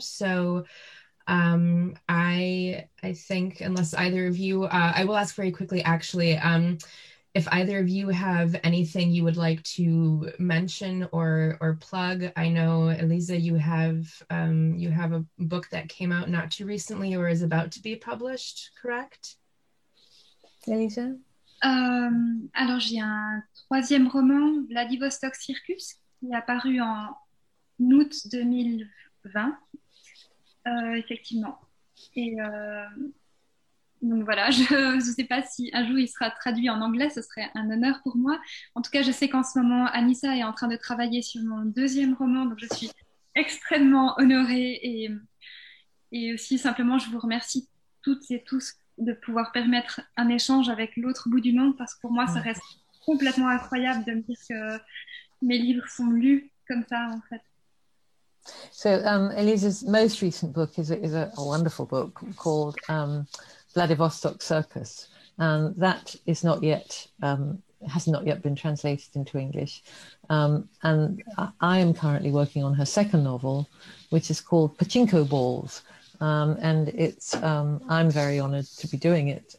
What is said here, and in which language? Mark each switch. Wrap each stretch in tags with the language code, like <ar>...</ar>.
<en>So I think unless either of you, I will ask very quickly, actually, if either of you have anything you would like to mention or plug. I know, Eliza, you have a book that came out not too recently or is about to be published, correct? Elisa?</en> <fr>Alors j'ai un troisième roman, Vladivostok Circus, qui est apparu en août 2020, effectivement. Et donc voilà, je ne sais pas si un jour il sera traduit en anglais, ce serait un honneur pour moi. En tout cas, je sais qu'en ce moment, Anissa est en train de travailler sur mon deuxième roman, donc je suis extrêmement honorée et aussi simplement, je vous remercie toutes et tous de pouvoir permettre un échange avec l'autre bout du monde, parce que pour moi, ça reste complètement incroyable de me dire que mes livres sont lus comme ça, en fait.</fr> <en>So, Eliza's most recent book is a wonderful book called Vladivostok Circus, and that is not yet, has not yet been translated into English. And I am currently working on her second novel, which is called Pachinko Balls, and it's I'm very honored to be doing it.</en>